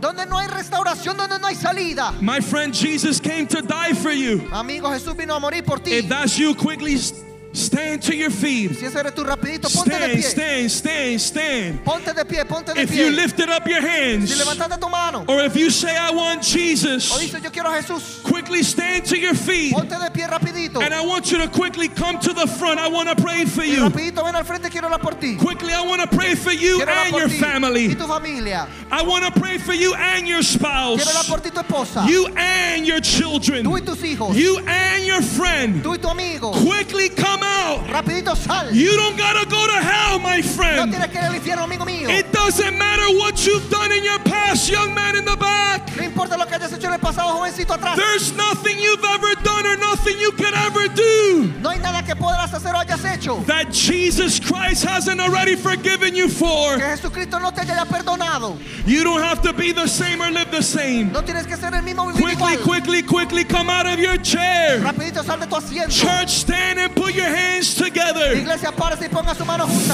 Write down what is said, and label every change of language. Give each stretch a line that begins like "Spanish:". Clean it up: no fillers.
Spanish: Donde no hay restauración, donde no hay salida.
English: My friend, Jesus came to die for you.
Spanish: Amigo, Jesús vino a morir por ti.
English: If that's you, quickly stand to your feet. Stand.
Spanish: Ponte de pie, ponte de
English: if
Spanish: pie.
English: You lifted up your hands,
Spanish: si levantaste tu mano,
English: or if you say, I want Jesus,
Spanish: o dice, yo quiero a Jesús,
English: quickly stand to your feet.
Spanish: Ponte de pie rapidito.
English: And I want you to quickly come to the front. I want to pray for you.
Spanish: Rapidito, ven al frente, quiero hablar por ti.
English: Quickly, I want to pray for you
Spanish: quiero
English: and your
Spanish: ti.
English: Family.
Spanish: Y tu familia.
English: I want to pray for you and your spouse.
Spanish: Quiero hablar por ti, tu esposa.
English: You and your children.
Spanish: Tú y tus hijos.
English: You and your friend.
Spanish: Tú y tu amigo.
English: Quickly come out. out.
Spanish: Rapidito sal.
English: You don't gotta go to hell, my friend.
Spanish: No tienes que ir al infierno, amigo mío.
English: It doesn't matter what you've done in your past, young man in the back.
Spanish: No importa lo que hayas hecho en el pasado, jovencito atrás.
English: There's nothing you've ever done or nothing you can ever do.
Spanish: No hay nada que podrás hacer o hayas hecho.
English: That Jesus Christ hasn't already forgiven you for.
Spanish: Que Jesucristo no te haya perdonado.
English: You don't have to be the same or live the same.
Spanish: No tienes que ser el mismo, vivir
English: quickly,
Spanish: igual.
English: Quickly, quickly come out of your chair.
Spanish: Rapidito sal de tu asiento.
English: Church, stand and put your hands together.
Spanish: Iglesia, párese y ponga su mano junta.